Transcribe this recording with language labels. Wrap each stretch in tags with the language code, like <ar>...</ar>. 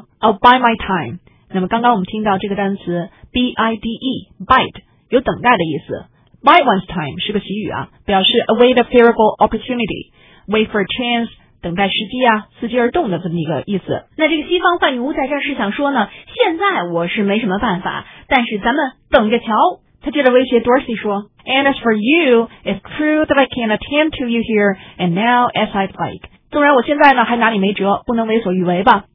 <en>I'll bide my time。</en> <zh>那么刚刚我们听到这个单词 B-I-D-E bide 有等待的意思， bide one's time 是个习语啊，表示</zh> <en>await a favorable opportunity, wait for a chance,</en> <zh>等待时机啊，伺机而动的这么一个意思。那这个西方坏女巫在这儿是想说呢，现在我是没什么办法，但是咱们等着瞧。她接着威胁 Dorothy 说</zh> <en>And as for you, it's true that I can't attend to you here and now as I'd like.</en> <zh>纵然我现在呢还拿你没辙，不能为所欲为吧。</zh>